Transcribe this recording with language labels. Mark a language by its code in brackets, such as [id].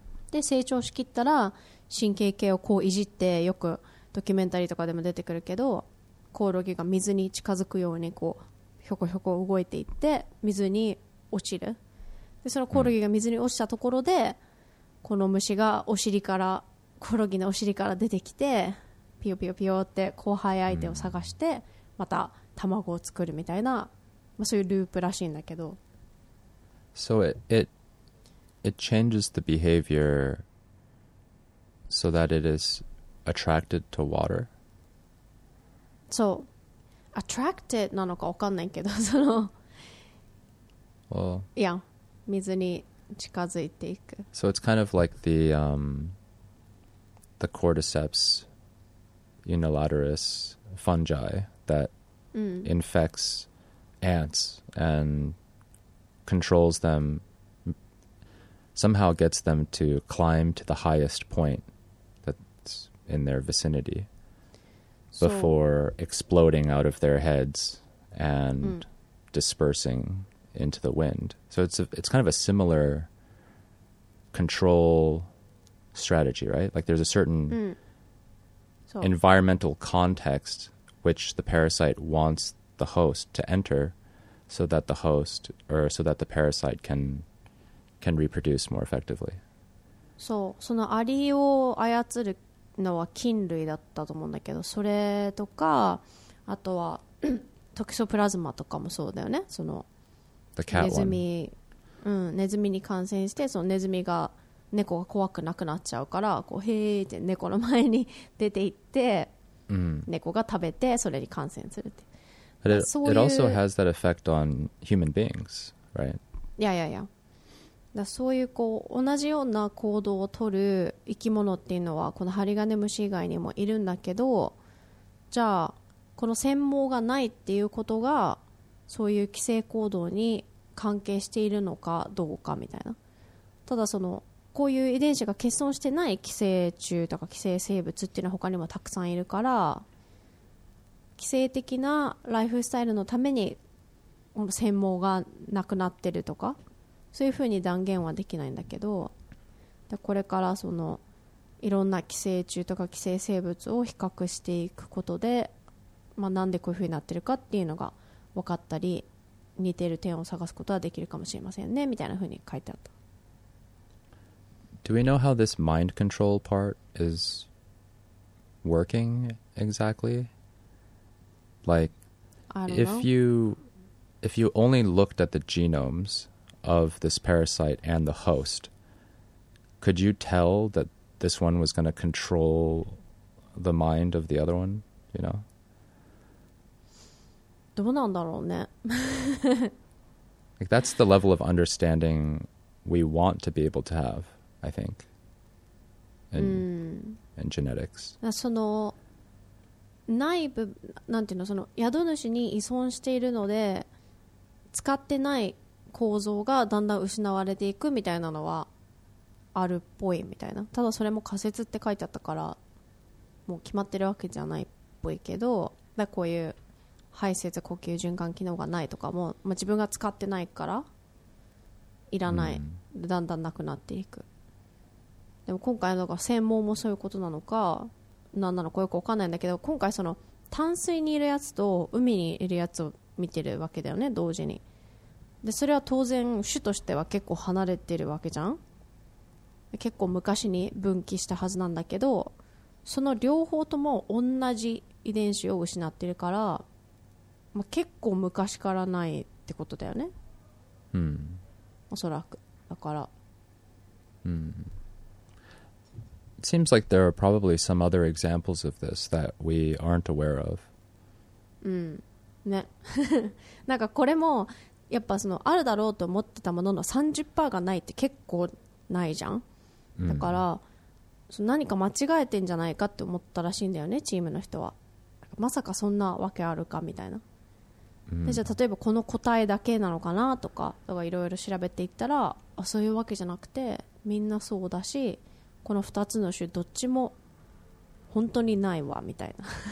[ja] で成長しきったら神経系をこういじって、よくドキュメンタリーとかでも出てくるけど、コオロギが水に近づくようにこうひょこひょこ動いていって水に落ちる。でそのコオロギが水に落ちたところで、この虫がお尻から、コオロギのお尻から出てきて、ピヨピヨピヨって交配相手を探してまた卵を作るみたいな、まあ、そういうループらしいんだけど。 [en] So it changes the behavior so that it is attracted to water? [ja] そう、attracted なのか分かんないけど、その、 [en] well, [ja] いや、水に近づいていく。 [en] So it's kind of like the cordyceps unilateris fungi that infects ants and controls them, somehow gets them to climb to the highest point that's in their vicinity. Before exploding out of their heads and dispersing into the wind. So it's kind of a similar control strategy, right? Like there's a certain environmental context which the parasite wants the host to enter, so that the host or so that the parasite can reproduce more effectively. [ja] そう、そのアリを操るのは菌類だったと思うんだけど、それとかあとはトキソプラズマとかもそうだよね。そのネズミ、うん、ネズミに感染して、そのネズミが猫が怖くなくなっちゃうから、こうへーって猫の前に出て行って、猫が食べてそれに感染するって。 [en] But it, [ja] そういう、 [en] it also has that effect on human beings, right? Yeah, yeah, yeah. [ja] だそういうこう同じような行動を取る生き物っていうのはこのハリガネムシ以外にもいるんだけど、じゃあこの繊毛がないっていうことがそういう寄生行動に関係しているのかどうかみたいな。ただそのこういう遺伝子が欠損してない寄生虫とか寄生生物っていうのは他にもたくさんいるから、寄生的なライフスタイルのためにこの繊毛がなくなってるとか、そういうふうに断言はできないんだけど、でこれからそのいろんな寄生虫とか寄生生物を比較していくことで、まあ、なんでこういうふうになってるかっていうのが分かったり、似てる点を探すことはできるかもしれませんねみたいなふうに書いてあった。 [en] Do we know how this mind control part is working exactly? Like, if you only looked at the genomesof this parasite and the host, could you tell that this one was going to control the mind of the other one, you know? [ja] どうなんだろうね。 [en] Like, that's the level of understanding we want to be able to have, I think, in genetics. [ja] その内部、なんていうの、その宿主に依存しているので使ってない構造がだんだん失われていくみたいなのはあるっぽいみたいな。ただそれも仮説って書いてあったからもう決まってるわけじゃないっぽいけど、だこういう排泄呼吸循環機能がないとかも、まあ、自分が使ってないからいらない、だんだんなくなっていく。でも今回のが専門もそういうことなのか何なのかよく分かんないんだけど、今回その淡水にいるやつと海にいるやつを見てるわけだよね、同時に。でそれは当然種としては結構離れてるわけじゃん、結構昔に分岐したはずなんだけど、その両方とも同じ遺伝子を失ってるから、まあ、結構昔からないってことだよね、おそらく。だから、 [en] It seems like there are probably some other examples of this that we aren't aware of. [ja] ね。なんかこれもやっぱそのあるだろうと思ってたものの 30% がないって結構ないじゃん。だから、その何か間違えてんじゃないかって思ったらしいんだよね、チームの人は。まさかそんなわけあるかみたいな。でじゃあ例えばこの個体だけなのかなとか、とかいろいろ調べていったら、あ、そういうわけじゃなくてみんなそうだし、この2つの種どっちも本当にないわみたいな。